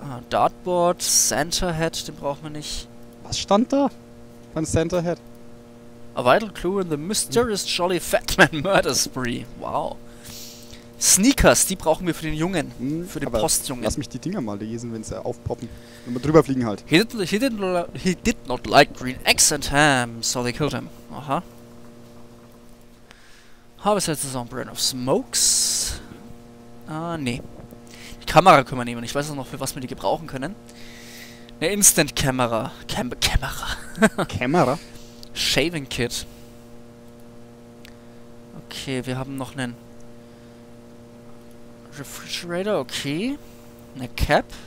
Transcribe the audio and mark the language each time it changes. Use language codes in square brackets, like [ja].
[de] Dartboard, Santa Hat, den brauchen wir nicht. Was stand da? Ein Santa Hat. [en] A vital clue in the mysterious Jolly Fat Man Murder Spree. Wow. Sneakers, die brauchen wir für den Jungen. Für den Postjungen. Lass mich die Dinger mal lesen, wenn sie aufpoppen. Wenn wir drüber fliegen halt. He did not like green eggs and ham, so they killed him. Aha. Harvested the Brand of Smokes. [de] Ah, nee. Die Kamera können wir nehmen. Ich weiß auch noch, für was wir die gebrauchen können. Eine Instant-Kamera. Kamera? Shaving Kit. Okay, wir haben noch einen Refrigerator, okay. Eine Cap.